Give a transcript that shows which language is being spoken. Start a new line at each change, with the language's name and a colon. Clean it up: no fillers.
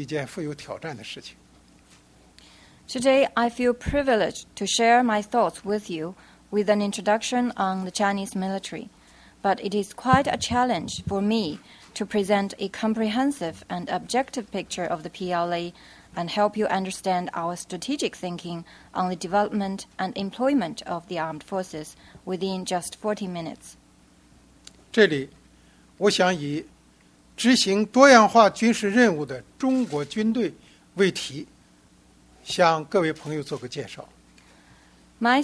Chinese: 向各位介绍一下中国军队的情况，但要在几十分钟内把中国军队全面客观地呈现给大家，使各位了解中国建设和运用军事力量的战略考虑，对我来说是一件富有挑战的事情。
English: Today, I feel privileged to share my thoughts with you with an introduction on the Chinese military, but it is quite a challenge for me to present a comprehensive and objective picture of the PLA and help you understand our strategic thinking on the development and employment of the armed forces within just 40 minutes.
Chinese: 这里我想以执行多样化军事任务的中国军队为题，向各位朋友做个介绍。
English: My